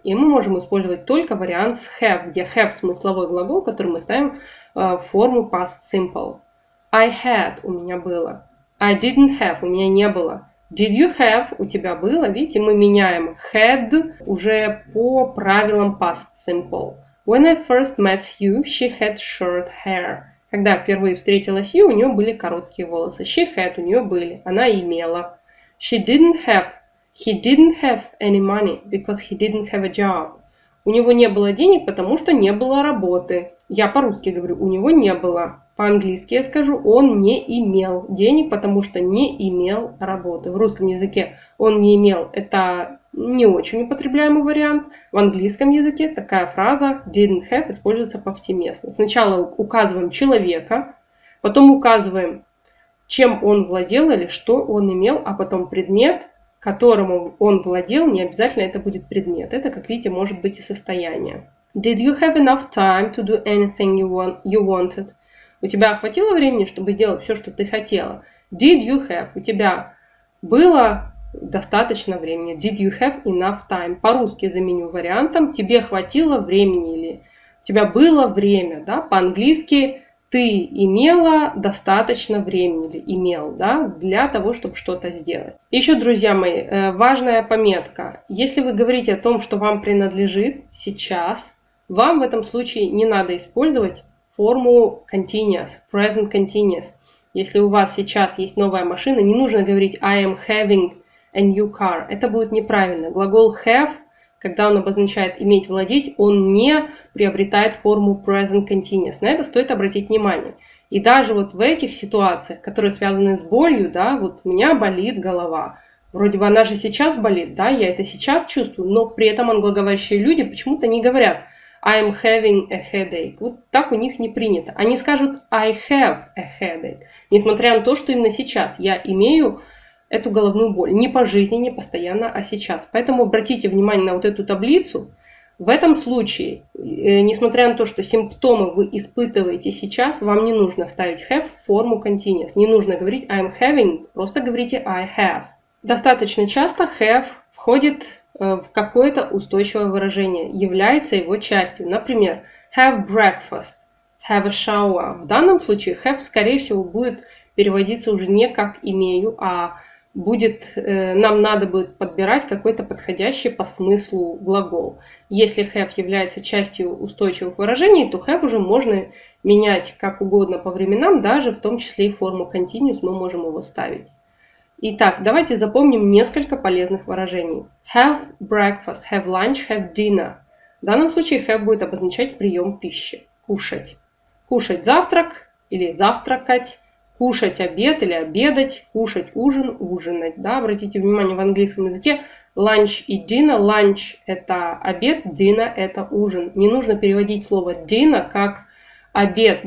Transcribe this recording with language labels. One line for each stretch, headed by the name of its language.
Russian: И мы можем использовать только вариант с have, где have – смысловой глагол, который мы ставим в форму past simple.
English: I had
Russian: – у меня было.
English: I didn't have
Russian: – у меня не было.
English: Did you have
Russian: – у тебя было. Видите, мы меняем had уже по правилам past simple.
English: When I first met you, she had short hair.
Russian: Когда впервые встретилась you, у нее были короткие волосы.
English: She had,
Russian: у нее были, она имела.
English: She didn't have, he didn't have any money, because he didn't have a job.
Russian: У него не было денег, потому что не было работы. Я по-русски говорю, у него не было. По-английски я скажу, он не имел денег, потому что не имел работы. В русском языке он не имел, это не очень употребляемый вариант. В английском языке такая фраза didn't have используется повсеместно. Сначала указываем человека, потом указываем, чем он владел или что он имел, а потом предмет, которому он владел, не обязательно это будет предмет. Это, как видите, может быть и состояние.
English: Did you have enough time to do anything you wanted?
Russian: У тебя хватило времени, чтобы сделать все, что ты хотела?
English: Did you have?
Russian: У тебя было достаточно времени.
English: Did you have enough time?
Russian: По-русски заменю вариантом. Тебе хватило времени или у тебя было время, да? По-английски ты имела достаточно времени или имел, да, для того, чтобы что-то сделать. Еще, друзья мои, важная пометка. Если вы говорите о том, что вам принадлежит сейчас, вам в этом случае не надо использовать форму continuous, present continuous. Если у вас сейчас есть новая машина, не нужно говорить
English: I am having a new car.
Russian: Это будет неправильно. Глагол have, когда он обозначает иметь, владеть, он не приобретает форму present continuous. На это стоит обратить внимание. И даже вот в этих ситуациях, которые связаны с болью, да, вот у меня болит голова. Вроде бы она же сейчас болит, да, я это сейчас чувствую, но при этом англоговорящие люди почему-то не говорят
English: I am having a headache.
Russian: Вот так у них не принято. Они скажут
English: I have a headache.
Russian: Несмотря на то, что именно сейчас я имею эту головную боль. Не по жизни, не постоянно, а сейчас. Поэтому обратите внимание на вот эту таблицу. В этом случае, несмотря на то, что симптомы вы испытываете сейчас, вам не нужно ставить have в форму continuous. Не нужно говорить
English: I am having,
Russian: просто говорите
English: I have.
Russian: Достаточно часто have входит в какое-то устойчивое выражение, является его частью.
English: Например, have breakfast, have a shower.
Russian: В данном случае have, скорее всего, будет переводиться уже не как имею, а будет, нам надо будет подбирать какой-то подходящий по смыслу глагол. Если have является частью устойчивых выражений, то have уже можно менять как угодно по временам, даже в том числе и форму continuous мы можем его ставить. Итак, давайте запомним несколько полезных выражений.
English: Have breakfast, have lunch, have dinner.
Russian: В данном случае have будет обозначать прием пищи. Кушать. Кушать завтрак или завтракать. Кушать обед или обедать. Кушать ужин, ужинать. Да, обратите внимание, в английском языке lunch и dinner. Lunch – это обед, dinner – это ужин. Не нужно переводить слово dinner как обед.